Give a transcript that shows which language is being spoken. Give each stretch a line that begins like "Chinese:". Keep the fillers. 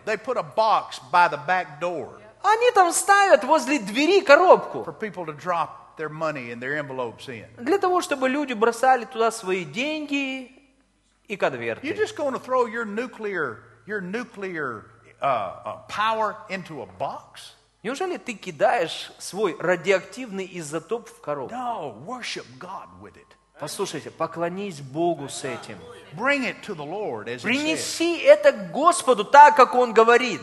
English: A, they put a box by the back door.
Russian: Они там ставят возле двери коробку, для того, чтобы люди бросали туда свои деньги и конверты.
English: You're just going to throw your nuclear, your nuclear power into a box?
Russian: Неужели ты кидаешь свой радиоактивный изотоп в коробку?
English: No, worship God with it.
Russian: Послушайте, поклонись Богу с этим.
English: Bring it to the Lord, as
Russian: Принеси это к Господу, так как Он говорит.